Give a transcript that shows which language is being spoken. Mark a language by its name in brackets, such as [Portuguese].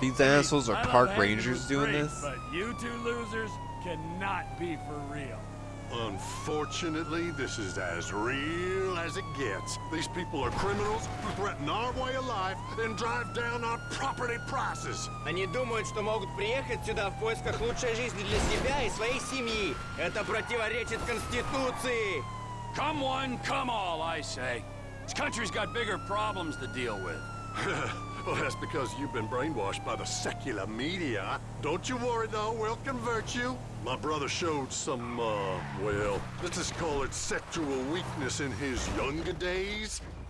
[English] These assholes are park rangers doing this? But you two losers cannot be for real. Unfortunately, this is as real as it gets. These people are criminals who threaten our way of life and drive down our property prices. [Russian] Они думают, что могут приехать сюда в поисках лучшей жизни для себя и своей семьи. Это противоречит Конституции. [English] Come one, come all, I say. This country's got bigger problems to deal with. Well, that's because you've been brainwashed by the secular media. Don't you worry, though. We'll convert you. My brother showed some, let's just call it sexual weakness in his younger days.